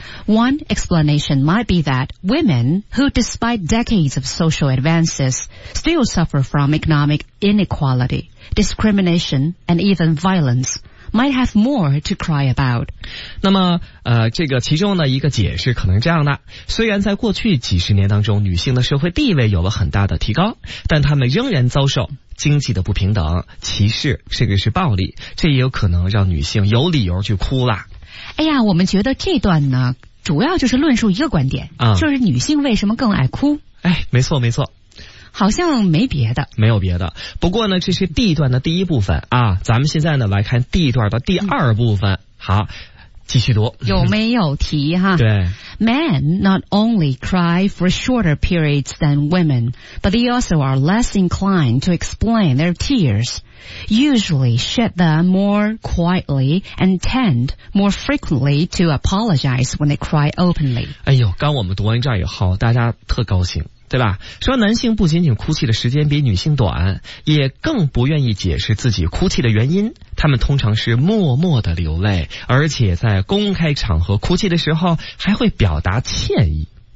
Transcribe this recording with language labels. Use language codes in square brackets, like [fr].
[en] One explanation might be that women who despite decades of social advances still suffer from economic inequality, discrimination, and even violence might have more to cry about. [zh] 那么这个其中的一个解释可能这样的，虽然在过去几十年当中女性的社会地位有了很大的提高，但她们仍然遭受经济的不平等、歧视甚至是暴力，这也有可能让女性有理由去哭了。哎呀，我们觉得这段呢主要就是论述一个观点、嗯、就是女性为什么更爱哭。哎，没错没错，好像没别的，没有别的。不过呢，这是 D 段的第一部分啊，咱们现在呢来看 D 段的第二部分、嗯、好，继续读。有没有提哈？对。 [en] Men not only cry for shorter periods than women, but they also are less inclined to explain their tears, usually shed them more quietly and tend more frequently to apologize when they cry openly. [zh] 哎呦，刚我们读完这儿以后，大家特高兴，对吧？说男性不仅仅哭泣的时间比女性短，也更不愿意解释自己哭泣的原因。他们通常是默默的流泪，而且在公开场合哭泣的时候还会表达歉意。